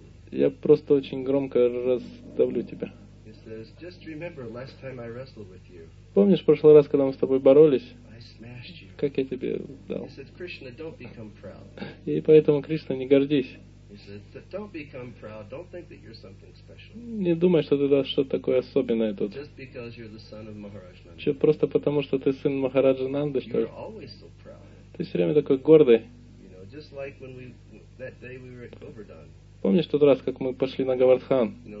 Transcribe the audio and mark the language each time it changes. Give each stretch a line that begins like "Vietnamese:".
Russian: Я просто очень громко раздавлю тебя.
English: Says, just remember last time I wrestled with you.
Russian: Помнишь прошлый раз, когда мы с тобой боролись?
English: I smashed you.
Russian: Как я тебе дал?
English: He said, Krishna, don't become proud.
Russian: И поэтому Кришна, не гордись.
English: He said, don't become proud. Don't think that you're something special.
Russian: Не думай, что ты да что такое особенное тут.
English: Just because you're the son of Maharaj Nanda.
Russian: Что просто потому, что ты сын Махараджа Нанды, что
English: you're always so proud.
Russian: Ты все время такой гордый.
English: You know, just like when we that day we were at Govardhan.
Russian: Помнишь тот раз, как мы пошли на Говардхан?